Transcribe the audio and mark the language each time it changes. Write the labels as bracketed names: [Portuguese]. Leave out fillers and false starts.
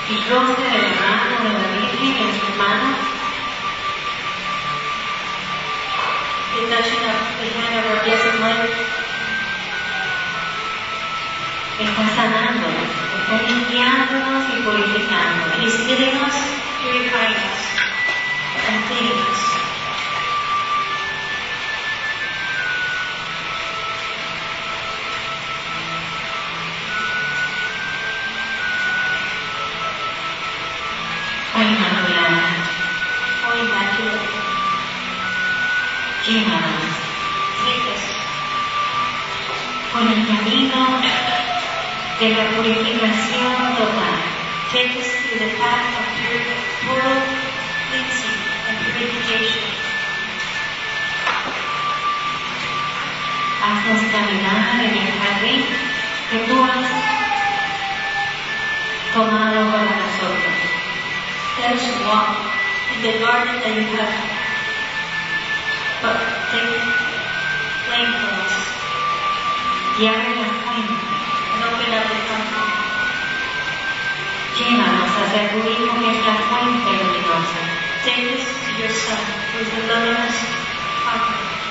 [Spanish] Roce de la mano de la Virgen en sus manos. [English] The touching of the hand of our Blessed Mother. [Spanish] Está sanándonos, está limpiándonos y purificándonos. [English] He's healing us, purifying us, and cleaning us. [Spanish] Inmaculada. Oh, Inmaculada. Llévanos. [English] Take us. [Spanish] Por el camino de la purificación total. [English] Take us through the path of total cleansing and purification. [Spanish] Haznos caminar en el jardín que tú has tomado para nosotros. [English] Let us walk in the garden that you have taken away from us. [Spanish] Y abre la fuente. [English] And open up the fountain. [Spanish] Llénanos hacia tu hijo que es la fuente luminosa. [English] Take us to your son who is the luminous fountain.